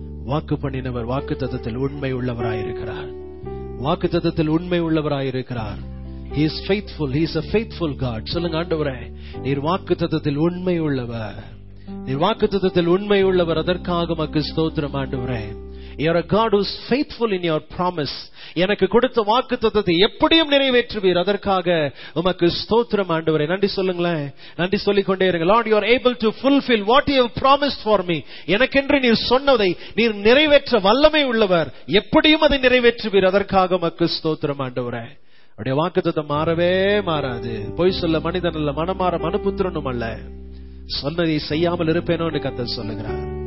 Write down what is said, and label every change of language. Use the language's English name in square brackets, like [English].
[Tamil] வாக்கு பண்ணினவர் வாக்கு தத்தத்தில் உண்மை உள்ளவராயிருக்கிறார். வாக்கு தத்தத்தில் உண்மை உள்ளவராயிருக்கிறார். [English] He is faithful. He is a faithful God. [Tamil] சொல்லுங்க ஆண்டவரே, நீர் வாக்குத்தத்தத்தில் உண்மை உள்ளவர், நீர் வாக்குத்தத்தத்தில் உண்மை உள்ளவர், அதற்காக உமக்கு ஸ்தோத்திரம் ஆண்டவரே. [English] You are a God who is faithful in your promise. [Tamil] எனக்கு கொடுத்த வாக்குத்தத்தத்தை எப்படியும் நிறைவேற்றுவீர், அதற்காக உமக்கு ஸ்தோத்திரம் ஆண்டவரே. நன்றி சொல்லுங்களேன், நன்றி சொல்லிக்கொண்டே இருங்க. [English] Lord, you are able to fulfill what you have promised for me. [Tamil] எனக்கென்று நீர் சொன்னதை நீர் நிறைவேற்ற வல்லமை உள்ளவர், எப்படியும் அதை நிறைவேற்றுவீர், அதற்காக உமக்கு ஸ்தோத்திரம் ஆண்டவரே. அவருடைய வாக்குத்தத்தம் மாறவே மாறாது. பொய் சொல்ல மனிதன் அல்ல, மனம் மாற மனுபுத்திரனும் அல்ல. சொன்னதை செய்யாமல் இருப்பேனோன்னு கர்த்தர் சொல்லுகிறார்.